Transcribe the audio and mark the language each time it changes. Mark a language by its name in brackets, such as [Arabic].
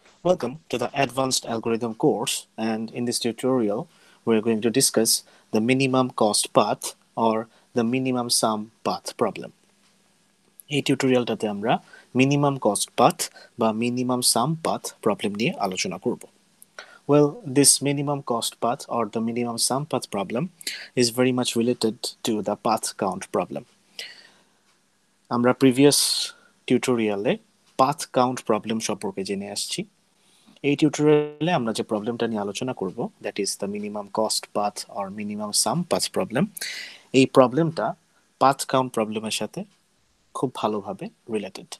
[English] Welcome to the Advanced Algorithm course, and in this tutorial, we're going to discuss the minimum cost path or the minimum sum path problem. [Bangla] এই টিউটোরিয়ালটাতে আমরা minimum cost path বা minimum সাম path problem নিয়ে আলোচনা করব। [English] Well, this minimum cost path or the minimum sum path problem is very much related to the path count problem. [Bangla] আমরা previous টিউটোরিয়ালে path count problem সম্পর্কে জেনে আসছি। এই টিউটোরিয়ালে আমরা যে প্রবলেমটা নিয়ে আলোচনা করব, [English] that is the minimum cost path or minimum sum path problem, [Bangla] এই প্রবলেমটা পাথ কাউন্ট প্রবলেমের সাথে খুব ভালোভাবে রিলেটেড।